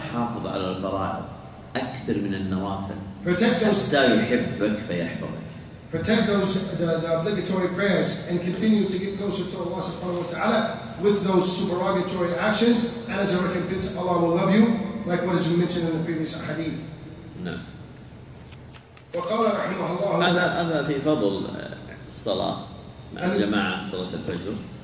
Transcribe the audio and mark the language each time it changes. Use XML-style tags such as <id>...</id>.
<ar>حافظ على الفرائض أكثر من النوافل.</ar> <en>Protect those</en> <ar>حتى يحبك فيحفظك.</ar> <en>Protect those the obligatory prayers and continue to get closer to Allah subhanahu wa ta'ala with those supererogatory actions, and as a recompense, Allah will love you, like what is mentioned in the previous hadith. No.</en> <ar>وقال رحمه الله. هذا في فضل الصلاة مع الجماعة صلاة الفجر.</ar>